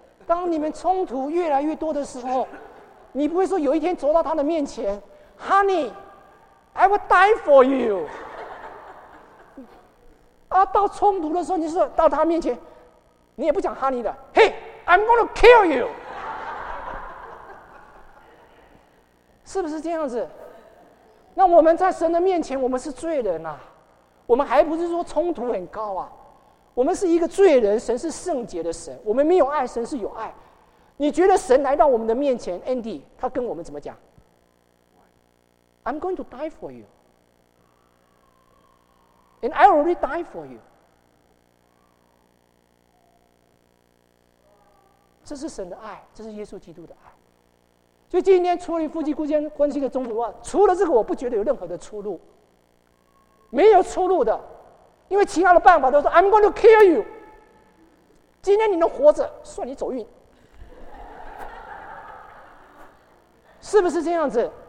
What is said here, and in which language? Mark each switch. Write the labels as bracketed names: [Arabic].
[Chinese] 当你们冲突越来越多的时候，你不会说有一天走到他的面前 [English] Honey, I will die for you [Chinese] 啊，到冲突的时候你是到他面前，你也不讲 Honey 的， [English] Hey, I'm gonna kill you [Chinese] 是不是这样子？那我们在神的面前，我们是罪人啊，我们还不是说冲突很高啊，我们是一个罪人，神是圣洁的神，我们没有爱，神是有爱。你觉得神来到我们的面前 Andy 他跟我们怎么讲？ [English] I'm going to die for you and I already die for you。 [Chinese] 这是神的爱，这是耶稣基督的爱。所以今天处理夫妻关系的冲突，除了这个我不觉得有任何的出路，没有出路的，因为其他的办法都说 [English] I'm going to kill you， [Chinese] 今天你能活着算你走运是不是这样子？